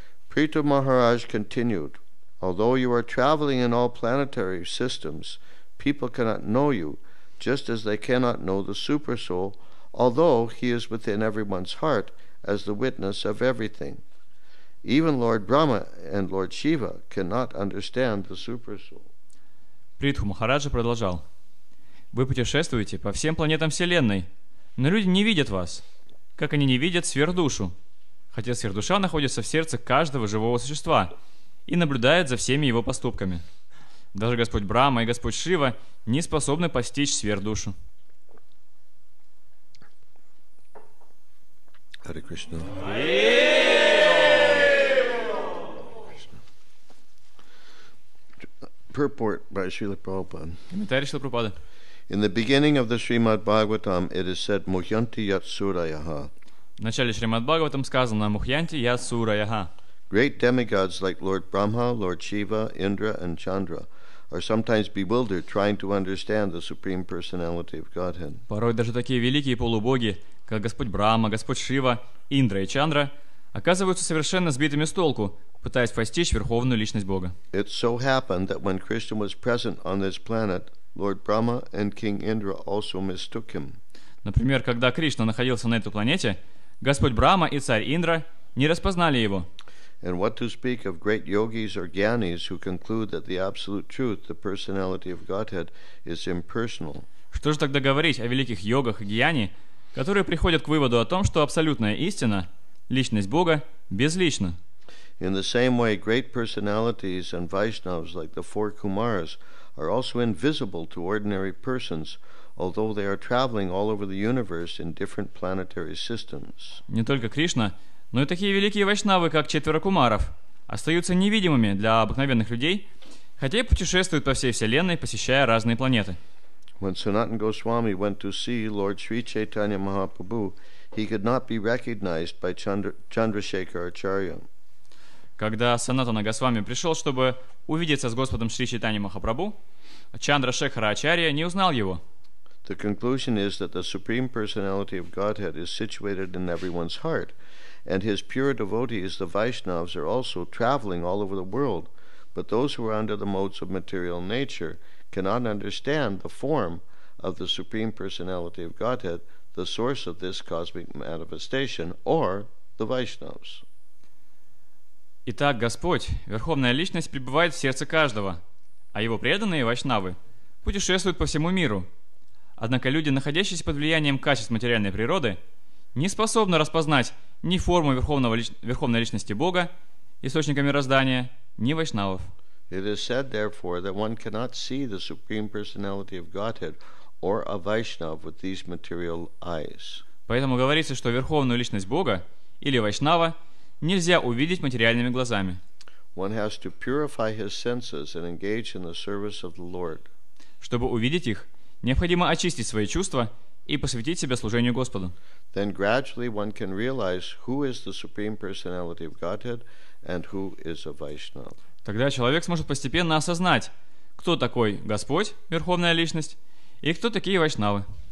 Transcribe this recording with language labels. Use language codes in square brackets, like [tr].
[en] Prita Maharaj continued, although you are traveling in all planetary systems, people cannot know you, just as they cannot know the Super Soul, although he is within everyone's heart as the witness of everything. Even Lord Brahma and Lord Shiva cannot understand the Super Soul. [ru] Притху Махараджа продолжал. Вы путешествуете по всем планетам Вселенной, но люди не видят вас, как они не видят сверхдушу, хотя сверхдуша находится в сердце каждого живого существа и наблюдает за всеми его поступками. Даже Господь Брама и Господь Шива не способны постичь сверхдушу. [sa] Hare Krishna. [en] Purport by Srila Prabhupada. [ru] Комментарий Шрилы Прабхупады. [en] In the beginning of the Srimad Bhagavatam it is said [sa] Muhyanti Yat Surayaha. [ru] В начале Шримад Бхагаватам сказано [sa] Muhyanti Yat Surayaha. [en] Great demigods like Lord Brahma, Lord Shiva, Indra and Chandra are sometimes bewildered trying to understand the Supreme Personality of Godhead. [ru] Порой даже такие великие полубоги, как Господь Брама, Господь Шива, Индра и Чандра, оказываются совершенно сбитыми с толку, пытаясь постичь Верховную Личность Бога. [en] It so happened that when Krishna was present on this planet, Lord Brahma and King Indra also mistook him. [ru] Например, когда Кришна находился на этой планете, Господь Брама и царь Индра не распознали его. [en] And what to speak of great yogis or gyanis who conclude that the absolute truth, the personality of Godhead, is impersonal. [ru] Что же тогда говорить о великих йогах и гьяни, которые приходят к выводу о том, что абсолютная истина, личность Бога, безлична? [en] In the same way, great personalities and Vaishnavas like the four Kumaras are also invisible to ordinary persons, although they are traveling all over the universe in different planetary systems. [ru] Не только Кришна, но и такие великие вайшнавы, как четверо кумаров, остаются невидимыми для обыкновенных людей, хотя и путешествуют по всей Вселенной, посещая разные планеты. [en] When Sanatana Goswami went to see Lord Sri Chaitanya Mahaprabhu, he could not be recognized by Chandrasekhar Acharya. [ru] Когда Санатана Госвами пришел, чтобы увидеться с Господом Шри Чайтанья Махапрабху, Чандрашекхара Ачарья не узнал его. [en] The conclusion is that the Supreme Personality of Godhead is situated in everyone's heart, and his pure devotees, the Vaishnavas, are also traveling all over the world, but those who are under the modes of material nature cannot understand the form of the Supreme Personality of Godhead, the source of this cosmic manifestation, or the Vaishnavas. [ru] Итак, Господь, Верховная Личность, пребывает в сердце каждого, а Его преданные, вайшнавы, путешествуют по всему миру. Однако люди, находящиеся под влиянием качеств материальной природы, не способны распознать ни форму Верховной Личности Бога, источника мироздания, ни вайшнавов. [en] It is said, therefore, that one cannot see the Supreme Personality of Godhead or a Vaishnav with these material eyes. [ru] Поэтому говорится, что Верховную Личность Бога или вайшнава нельзя увидеть материальными глазами. [en] One has to purify his senses and engage in the service of the Lord. [ru] Чтобы увидеть их, необходимо очистить свои чувства и посвятить себя служению Господу. [en] Then gradually one can realize who is the Supreme Personality of Godhead and who is a Vaishnava. [ru] Тогда человек сможет постепенно осознать, кто такой Господь, Верховная Личность, и кто такие вайшнавы.